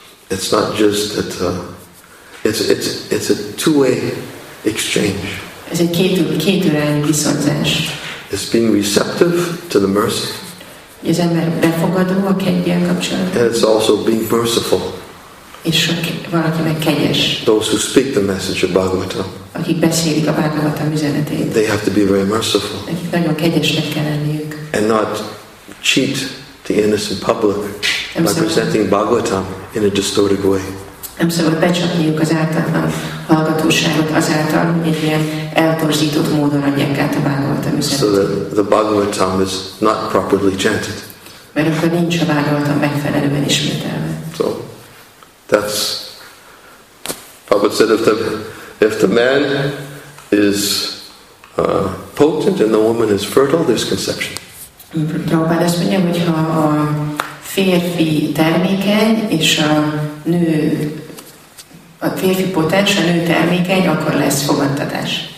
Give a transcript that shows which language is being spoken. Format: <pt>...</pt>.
<en>It's not just that it's a two-way exchange.</en> <hu>Ez egy kétirányú viszonzás.</hu> <en>It's being receptive to the mercy.</en> <hu>Az ember befogadó a kegyel kapcsolatban.</hu> <en>And it's also being merciful.</en> <hu>És valaki meg kegyes.</hu> <en>Those who speak the message of Bhagavatam.</en> <hu>Akik beszélik a Bhagavatam üzenetét.</hu> <en>They have to be very merciful.</en> <hu>Akik nagyon kegyesnek kell lenniük.</hu> <en>And not cheat the innocent public by presenting Bhagavatam in a distorted way.</en> <hu>Nem szabad becsapniuk az ártatlan hallgatóságot azáltal, hogy egy ilyen eltorzított módon adják át a Bhagavatam üzenetét.</hu> <en>So that the Bhagavatam is not properly chanted.</en> <hu>Mert akkor nincs a Bhagavatam megfelelően ismételve.</hu> <en>So That's Prabhupada said, if the man is potent and the woman is fertile, there's conception.</en> <hu>Prabhupada azt mondja, hogy ha a férfi termékeny és a nő a férfi potens, a nő termékeny, akkor lesz fogantatás.</hu>